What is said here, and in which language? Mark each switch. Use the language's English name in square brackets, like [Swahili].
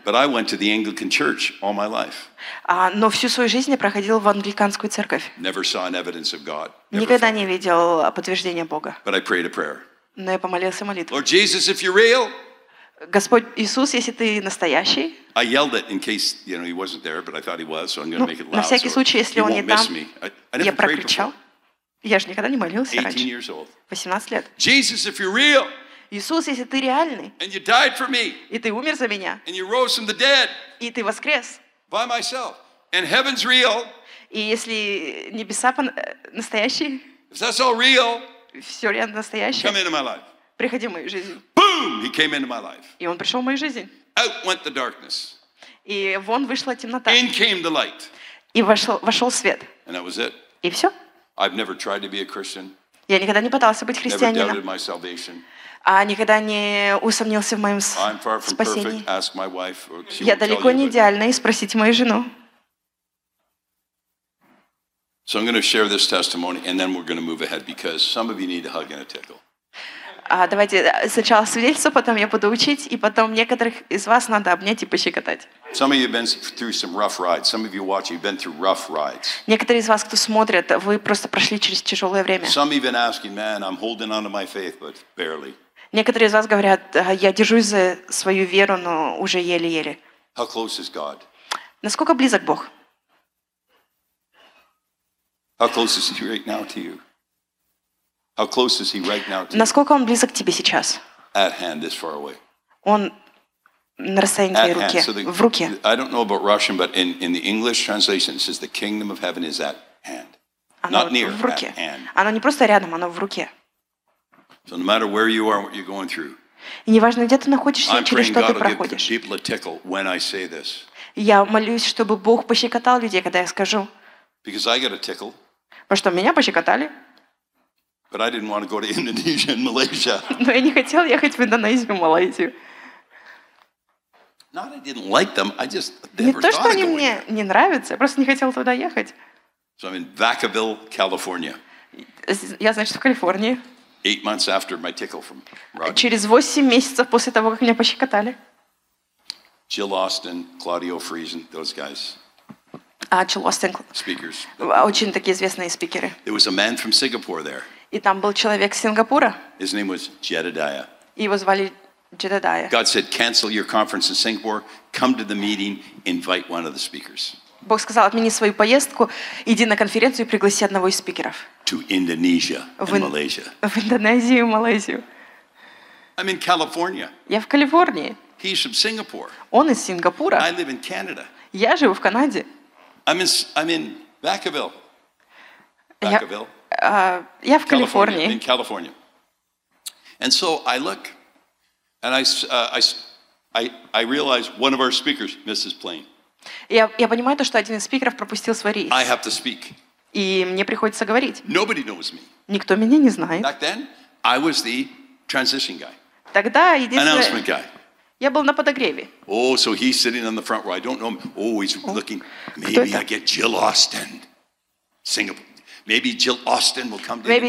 [English] But I went to the Anglican church all my life. [Russian] Но всю свою жизнь я проходил в англиканскую церковь. [English] Never saw an evidence of God. [Russian] Никогда не видел подтверждения Бога. [English] But I prayed a prayer. [Russian] Но я помолился молитвой. [English] Lord Jesus, if you're real. [Russian] Господь Иисус, если ты настоящий. [English] I yelled it in case, you know, he wasn't there, but I thought he was, so I'm going to make it loud. [Russian] На всякий случай, если он не там, я прокричал. Я же никогда не молился раньше. [English] 18 years old. [Russian] 18 лет. [English] Jesus, if you're real. [Russian] Иисус, если ты реальный. [English] And you died for me. [Russian] И ты умер за меня. [English] And you rose from the dead. [Russian] И ты воскрес. [English] By myself. And heaven's real. [Russian] И если небеса настоящие. [English] If that's all real. [Russian] Все реально настоящее. [English] Come into my life. [Russian] Приходи в мою жизнь. [English] Boom! He came into my life. [Russian] И он пришел в мою жизнь. [English] Out went the darkness. [Russian] И вон вышла темнота. [English] In came the light. [Russian] И вошел свет. [English] And that was it. [Russian] И все. [English] I've never tried to be a Christian. [Russian] Я никогда не пытался быть христианином. [English] Never doubted my salvation. [Russian] Никогда не усомнился в моем спасении. [English] I'm far from perfect. Ask my wife. [Russian] Я далеко не идеальный. Спросите мою жену. [English] So I'm going to share this testimony, and then we're going to move ahead because some of you need a hug and a tickle. [Russian] Давайте сначала свидетельство, потом я буду учить, и потом некоторых из вас надо обнять и пощекотать. Некоторые из вас, кто смотрит, вы просто прошли через тяжелое время. Некоторые из вас говорят, я держусь за свою веру, но уже еле-еле. [English] How close is God? [Russian] Насколько близок Бог? [English] How close is he right now to you? How close is he right now to you? [Russian] Насколько он близок к тебе сейчас? [English] At hand, this far away. [Russian] Он на расстоянии твоей руки, в руке. [English] I don't know about Russian, but in the English translation, it says the kingdom of heaven is at hand. Not near, [Russian] в руке. [English] At hand. [Russian] Оно не просто рядом, оно в руке. [English] So no matter where you are, what you're going through. [Russian] И неважно, где ты находишься, через что ты проходишь. [English] I'm praying God will give people a tickle when I say this. [Russian] Я молюсь, чтобы Бог пощекотал людей, когда я скажу. [English] Because I got a tickle. [Russian] Потому что меня пощекотали. [English] But I didn't want to go to Indonesia and Malaysia. [Russian] Но я не хотел ехать в Индонезию, Малайзию. [English] Not I didn't like them. I just never thought of going. [Russian] Не то, что они мне не нравятся, я просто не хотел туда ехать. [English] So I'm in Vacaville, California. [Russian] Я, значит, в Калифорнии. [English] 8 months after my tickle from Rodney. [Russian] Через 8 месяцев после того, как меня пощекотали. [English] Jill Austin, Claudio Friesen, those guys. Jill Austin. Speakers. [Russian] Очень такие известные спикеры. [English] There was a man from Singapore there. [Russian] И там был человек из Сингапура. [English] His name was Jedediah. [Russian] Его звали Jedediah. [English] God said, cancel your conference in Singapore, come to the meeting, invite one of the speakers. [Russian] Бог сказал, отмени свою поездку, иди на конференцию и пригласи одного из спикеров. [English] To Indonesia and Malaysia. [Russian] В Индонезию и Малайзию. [English] I'm in California. [Russian] Я в Калифорнии. [English] He's from Singapore. [Russian] Он из Сингапура. [English] I live in Canada. [Russian] Я живу в Канаде. [English] I'm in Vacaville. Vacaville. [Russian] Я в Калифорнии. [English] In California. And so I look, and I realize one of our speakers misses plane. [Russian] Я понимаю то, что один из спикеров пропустил свой рейс. [English] I have to speak. [Russian] И мне приходится говорить. [English] Nobody knows me. [Russian] Никто меня не знает. [English] Back then, I was the transition guy. [Russian] Тогда [English] announcement guy. [Russian] Я был на подогреве. [English] Oh, so he's sitting on the front row. I don't know him. Oh, he's looking. Maybe I get Jill Austin, Singapore. Maybe Jill Austin will come to maybe